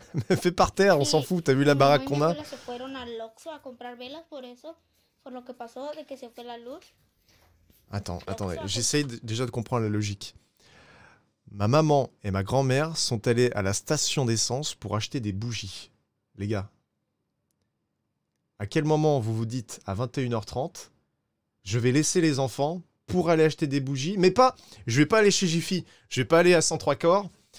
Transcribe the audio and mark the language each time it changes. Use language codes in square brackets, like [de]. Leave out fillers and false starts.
[fr] Me fait par terre, on s'en fout, t'as vu la baraque qu'on a? [es] Se fueron al Oxxo a comprar velas por eso, por lo que pasó de que se fue la luz. [fr] Attendez, j'essaye déjà de comprendre la logique. Ma maman et ma grand-mère sont allées à la station d'essence pour acheter des bougies. Les gars, à quel moment vous vous dites à 21h30, je vais laisser les enfants pour aller acheter des bougies, mais pas, je vais pas aller chez Jiffy, je vais pas aller à 103 corps.